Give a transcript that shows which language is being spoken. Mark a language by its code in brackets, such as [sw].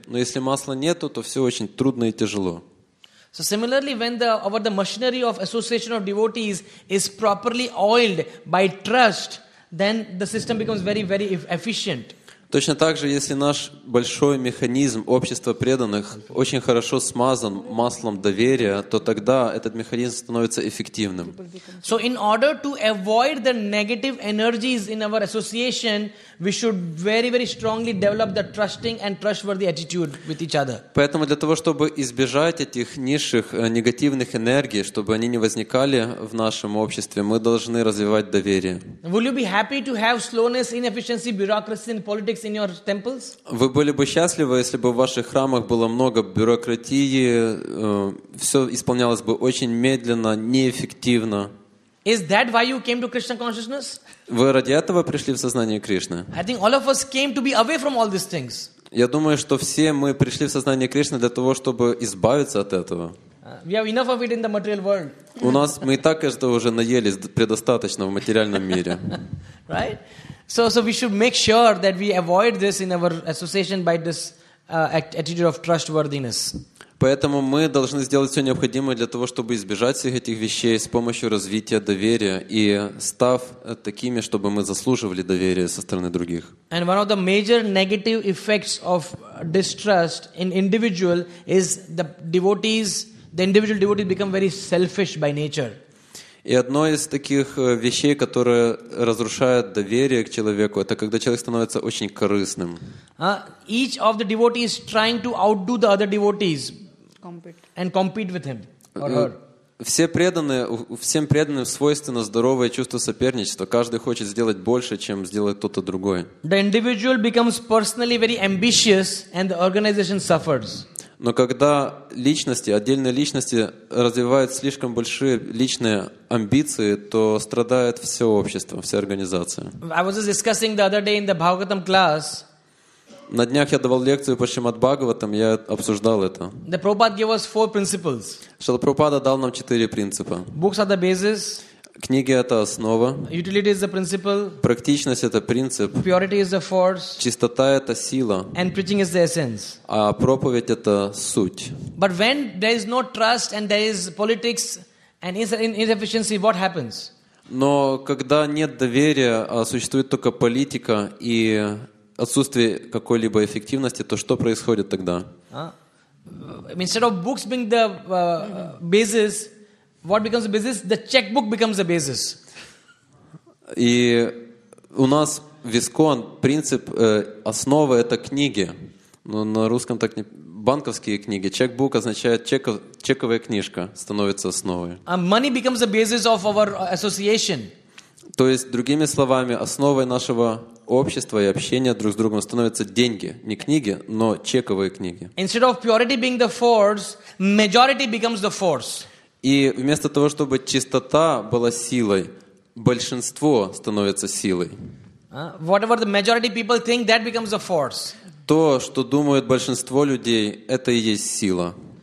[ru] Но если масла нету, то все очень трудно и тяжело. [en] So similarly, when the machinery of association of devotees is properly oiled by trust, then the system becomes very, very efficient. [ru] Точно так же, если наш большой механизм общества преданных очень хорошо смазан маслом доверия, то тогда этот механизм становится эффективным. [en] So in order to avoid the negative energies in our association, we should very, very strongly develop the trusting and trustworthy attitude with each other. [ru] Поэтому для того, чтобы избежать этих низших негативных энергий, чтобы они не возникали в нашем обществе, мы должны развивать доверие. [en] Will you be happy to have slowness, inefficiency, bureaucracy and politics in your temples? [ru] Вы были бы счастливы, если бы в ваших храмах было много бюрократии, все исполнялось бы очень медленно, неэффективно. [en] Is that why you came to Krishna consciousness? [ru] Вы ради этого пришли в сознание Кришны? [en] I think all of us came to be away from all these things. [ru] Я думаю, что все мы пришли в сознание Кришны для того, чтобы избавиться от этого. [en] We have enough of it in the material world. [ru] У нас мы и так это уже наелись предостаточно в материальном мире. [en] Right? So we should make sure that we avoid this in our association by this attitude of trustworthiness. [ru] Поэтому мы должны сделать все необходимое для того, чтобы избежать всех этих вещей с помощью развития доверия и став такими, чтобы мы заслуживали доверия со стороны других. [en] And one of the major negative effects of distrust in individual is the individual devotees become very selfish by nature. [ru] И одно из таких вещей, которое разрушает доверие к человеку, это когда человек становится очень корыстным. [en] Each of the devotees trying to outdo the other devotees and compete with him or her. [ru] Всем преданным свойственно здоровое чувство соперничества. Каждый хочет сделать больше, чем сделает кто-то другой. [en] The individual becomes personally very ambitious and the organization suffers. [ru] Но когда отдельные личности развивают слишком большие личные амбиции, то страдает все общество, вся организация. [en] I was just discussing the other day in the Bhagavatam class. [ru] На днях я давал лекцию по Шримад-Бхагаватам, я обсуждал это. [en] The Prabhupada gave us four principles. [ru] Шрила Прабхупада дал нам 4 принципа. [en] Books are the basis. [ru] Книги — это основа. [en] Utility is the principle. [ru] Практичность — это принцип. [en] Purity is the force. [ru] Чистота — это сила. [en] And preaching is the essence. [ru] А проповедь — это суть. [en] But when there is no trust and there is politics and inefficiency, what happens? [ru] Но когда нет доверия, а существует только политика и отсутствие какой-либо эффективности, то что происходит тогда? [en] Instead of books being the basis, what becomes the basis? The checkbook becomes the basis. [ru] И у нас вискон принцип основа это книги, но на русском так не банковские книги. Checkbook означает чековая книжка становится основой. [en] Money becomes the basis of our association. [ru] То есть другими словами, основой нашего общества и общения друг с другом становятся деньги, не книги, но чековые книги. [en] Instead of purity being the force, majority becomes the force. [ru] И вместо того, чтобы чистота была силой, большинство становится силой. [en] Whatever the majority people think, that becomes a force. [ru] То, что думают большинство людей, это и есть сила.